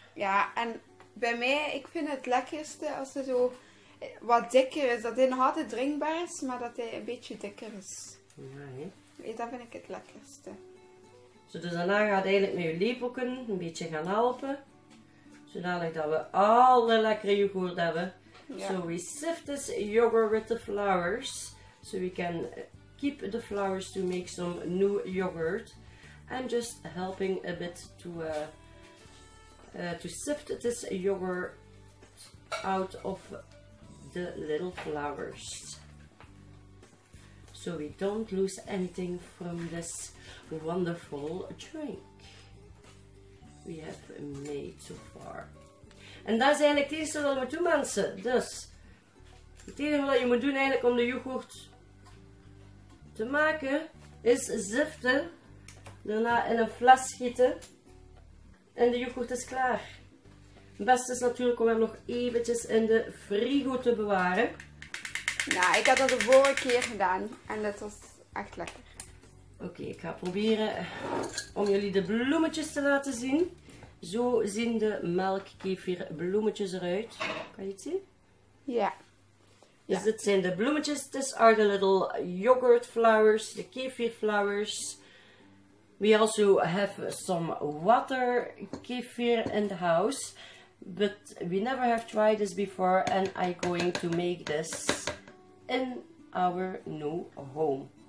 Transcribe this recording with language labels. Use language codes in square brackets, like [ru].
[nl] Ja, en bij mij, ik vind het lekkerste als hij zo wat dikker is. Dat hij nog altijd drinkbaar is, maar dat hij een beetje dikker is. Nee. Dat vind ik het lekkerste. Zo, dus daarna gaat eigenlijk met je lepelken een beetje gaan helpen. Zodanig dat we alle lekkere yoghurt hebben. Ja. [en] So we sift this yogurt with the flowers. So we can keep the flowers to make some new yogurt. I'm just helping a bit to sift this yogurt out of the little flowers. So we don't lose anything from this wonderful drink we have made so far. [nl] En dat is eigenlijk het eerste wat we doen, mensen. Dus, het enige wat je moet doen eigenlijk om de yoghurt te maken, is ziften, daarna in een fles gieten en de yoghurt is klaar. Het beste is natuurlijk om hem nog eventjes in de frigo te bewaren. Ja, ik had dat de vorige keer gedaan en dat was echt lekker. Oké, ik ga proberen om jullie de bloemetjes te laten zien. Zo zien de melkkefir bloemetjes eruit. Kan je het zien? Ja. Dus ja. Dit zijn de bloemetjes. [en] This are the little yogurt flowers, the kefir flowers. We also have some water kefir in the house. But we never have tried this before and I'm going to make this in our new home.